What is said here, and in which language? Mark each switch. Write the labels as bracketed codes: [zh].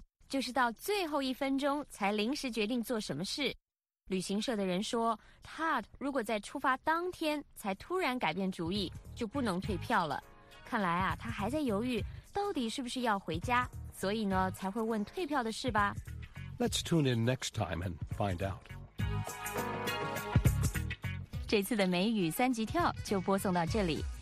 [zh] 就是到最后一分钟才临时决定做什么事。旅行社的人说 ，Todd 如果在出发当天才突然改变主意，就不能退票了。看来啊，他还在犹豫到底是不是要回家，所以呢才会问退票的事吧。 [en] Let's tune in next time and find out. [zh] 这次的美语三级跳就播送到这里。